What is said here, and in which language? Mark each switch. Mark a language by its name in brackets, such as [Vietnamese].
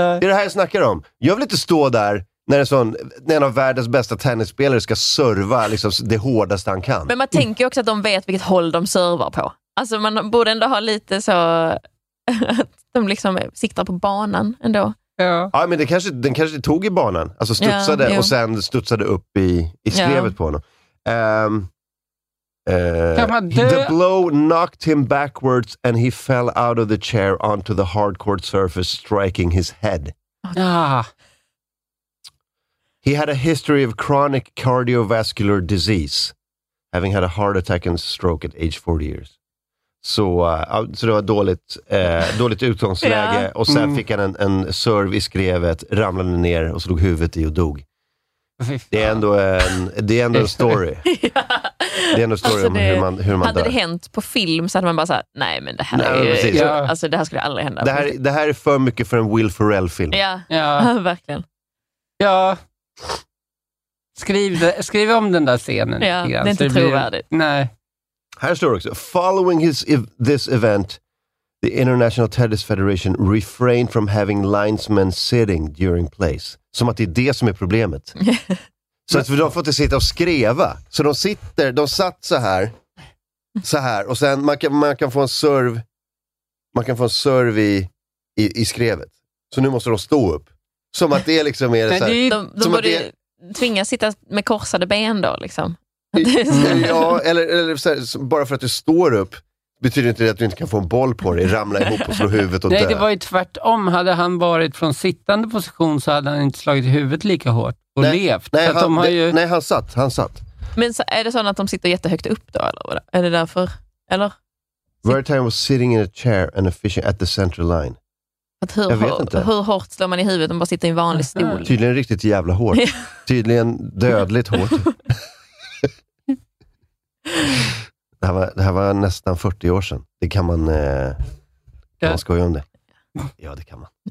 [Swedish] Det är det här jag snackar om. Jag vill inte stå där när när en av världens bästa tennisspelare ska serva liksom det hårdaste han kan. Men man tänker också att de vet vilket håll de servar på. Alltså man borde ändå ha lite så att de liksom siktar på banan ändå. Ja. Ja, men den kanske tog i banan. Alltså studsade och sen studsade upp i skrevet på honom. [English] The blow knocked him backwards and he fell out of the chair onto the hard court surface, striking his head. Ah. He had a history of chronic cardiovascular disease, having had a heart attack and stroke at age 40 years. [Swedish] Så det var dåligt utgångsläge. [English] Yeah. [Swedish] Och sen fick han en serve i skrevet, ramlade ner och slog huvudet i och dog. Det är ändå en story. Ja. Det är ändå en story alltså om hur man hade dör. Det hänt på film så hade man bara sagt nej men det här nej, är ju, ja. Alltså det här skulle aldrig hända. Det här är för mycket för en Will Ferrell film. Ja. Ja. Verkligen. Ja. Skriv om den där scenen. Ja, det är inte trovärdigt. Nej. Här står också [English] following this event the International Tennis Federation refrained from having linesmen sitting during plays. [Swedish] Som att det är det som är problemet. Så att de får inte sitta och skriva. Så de satt så här och sen man kan få en serve i skrevet. Så nu måste de stå upp. Som att det liksom är så här, de borde det... tvingas sitta med korsade ben då liksom. Ja, eller så här, bara för att du står upp betyder inte det att du inte kan få en boll på dig, ramla ihop och slå huvudet och nej, dö. Det var ju tvärtom. Hade han varit från sittande position så hade han inte slagit huvudet lika hårt och nej, levt. Nej, att han, de har ju... nej, han satt. Men så, är det så att de sitter jättehögt upp då? Eller? Är det därför? Eller? [English] Wertheim was sitting in a chair and officiating at the central line. [Swedish] Hur hårt slår man i huvudet om man bara sitter i en vanlig stol? Tydligen riktigt jävla hårt. Tydligen dödligt hårt. Det här var nästan 40 år sedan. Det kan man... Kan man skoja om det? Ja, det kan man.